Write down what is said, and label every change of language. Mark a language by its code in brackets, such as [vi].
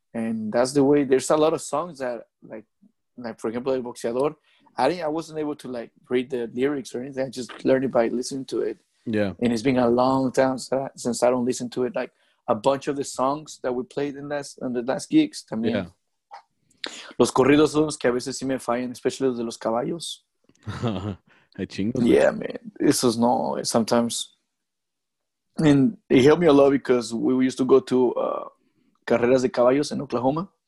[en] and that's the way. There's a lot of songs that, like for example, El Boxeador. I wasn't able to like read the lyrics or anything. I just learned it by listening to it. Yeah, and it's been a long time since I don't listen to it. Like a bunch of the songs that we played in the last gigs. [es] También. Yeah, los corridos son los que a veces sí me fallan, [en] especially [es] los de los caballos. [en] Yeah, man, this is no sometimes. And it helped me a lot because we used to go to Carreras de Caballos in Oklahoma.